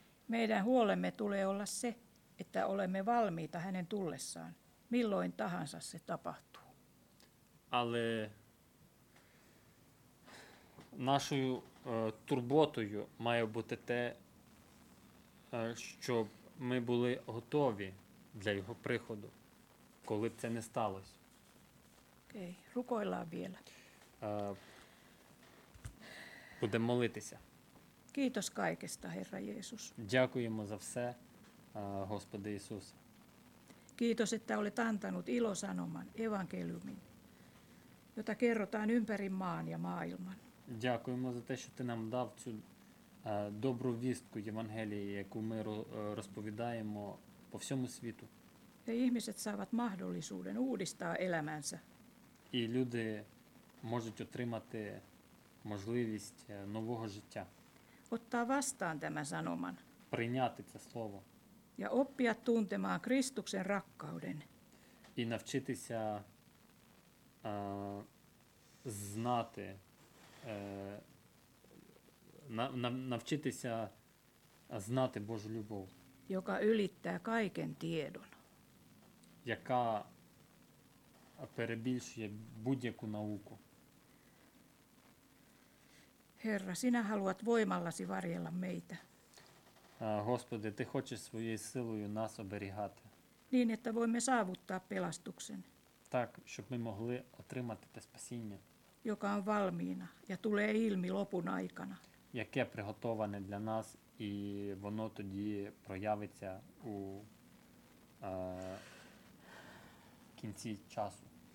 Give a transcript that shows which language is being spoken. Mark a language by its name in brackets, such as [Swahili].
[Finnish] Meidän huolemme tulee olla se, että olemme valmiita hänen tullessaan, milloin tahansa se tapahtuu. [Ukrainian] Але нашою турботою має бути те, щоб ми були готові для його приходу, коли б це не сталося. [Finnish] Окей, rukoillaan vielä. [Ukrainian] Будемо молитися. [Finnish] Kiitos kaikesta, Herra Jeesus. [Ukrainian] Дякуємо за все, Господи Ісус. [Finnish] Kiitos, että olet antanut ilosanoman, evankeliumin, jota kerrotaan ympäri maan ja maailman. [Ukrainian] Дякуємо за те, що ти нам дав цю добру вістку Євангелії, яку ми розповідаємо по всьому світу. [Finnish] Ja ihmiset saavat mahdollisuuden uudistaa elämänsä. [Ukrainian] І люди можуть отримати можливість нового життя. [Finnish] Ottaa vastaan tämän sanoman. [Ukrainian] Прийняти це слово. [Finnish] Ja oppia tuntemaan Kristuksen rakkauden. [Ukrainian] І навчитися знати навчитися знати Божу любов. [Finnish] Joka ylittää kaiken tiedon. [Ukrainian] Яка перебільшує будь-яку науку. [Finnish] Herra, sinä haluat voimallasi varjella meitä. [Ukrainian] Господи, ти хочеш своєю силою нас оберігати. [Finnish] Niin, että voimme saavuttaa pelastuksen. [Ukrainian] Так, щоб ми могли отримати те спасіння. [Finnish] Joka on valmiina ja tulee ilmi lopun aikana. [Ukrainian] Яке приготоване для нас, і воно тоді проявиться у кінці часу.